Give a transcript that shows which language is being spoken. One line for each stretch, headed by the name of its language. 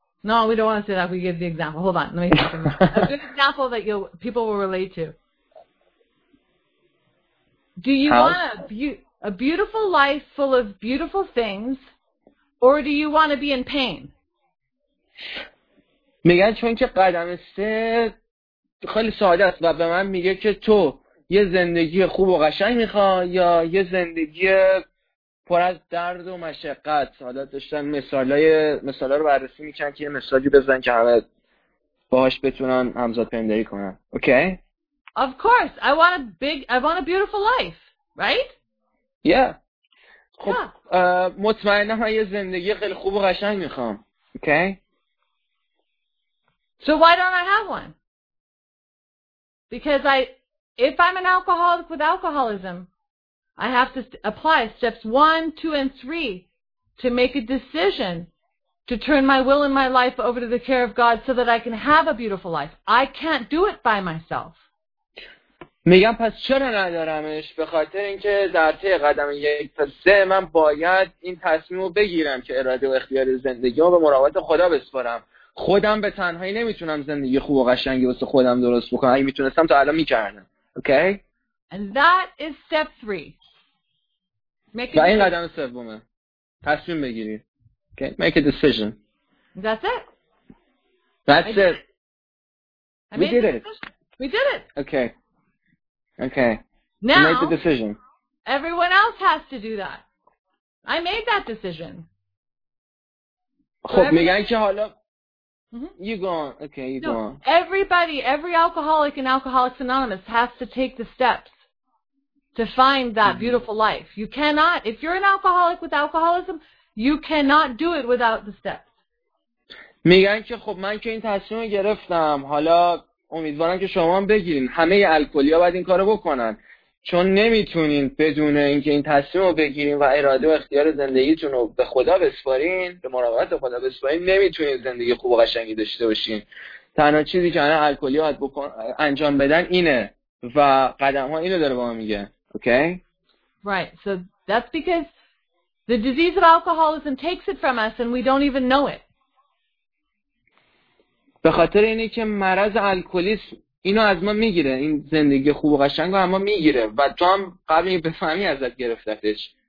English: No, we don't want to say that. We give the example. Hold on. Let me think of a good example that people will relate to. Do you want a beautiful life full of beautiful things, or do you want to be in pain?
Persian: میگه چون که قدم سه خیلی ساده است و به من میگه که تو یه زندگی خوب و قشنگ میخوای یا یه زندگی پر از درد و مشقت. حالا داشتن مثالا رو بررسی میکنن که یه مثالی بزنن که همه باهاش بتونن همزاد پنداری کنن.
English: Okay? Okay? Of course, I want a beautiful life, right? Yeah. خب
Persian: مطمئنم من یه زندگی خیلی خوب و قشنگ میخوام.
English: Okay? Okay? So why don't I have one? Because if I'm an alcoholic with alcoholism, I have to apply steps 1, 2, and 3 to make a decision to turn my will and my life over to the care of God so that I can have a beautiful life. I can't do it by myself.
Persian: میگم پس چرا ندارمش؟ به خاطر اینکه در طی قدم 1 تا 3 من باید این تصمیم رو بگیرم که اراده و اختیار زندگی رو به مراقبت خدا بسپارم. خودم به تنهایی نمیتونم زندگی خوب و قشنگی واسه خودم درست بکنم. اگه میتونستم تا الان میکردم.
English: Okay? And that is step 3. Make a decision.
Persian: و این قدم سومه. تصمیم بگیری.
English: Okay? Make a decision. That's it. That's it. We did it. We did it. Okay. Okay. Now, you made the decision. Everyone else has to do that. I made that decision.
Persian: خب میگن که حالا
English: You go on. Okay, you no, go on. Everybody, every alcoholic in Alcoholics Anonymous has to take the steps to find that beautiful life. You cannot, if you're an alcoholic with alcoholism, you cannot do it without the steps.
Persian: میگن که خب من که این تصمیم رو گرفتم، حالا امیدوارم که شما هم بگیرین. همه الکلی ها باید این کار رو بکنن. چون نمیتونین بدون اینکه این تصمیم رو بگیرین و اراده و اختیار زندگیتون رو به خدا بسپارین، به مراقبت خدا بسپارین، نمیتونین زندگی خوب و قشنگی داشته باشین. تنها چیزی که الان الکلی ها انجام بدن اینه و قدم ها اینو داره با ما میگه.
English: Okay? Right. So that's because the disease of alcoholism takes it from us and we don't even know it.
Persian: به خاطر اینه که مرض الکلیسم اینو از ما میگیره، این زندگی خوب و قشنگ رو اما میگیره و تو هم قبل این بفهمی ازت گرفتتش.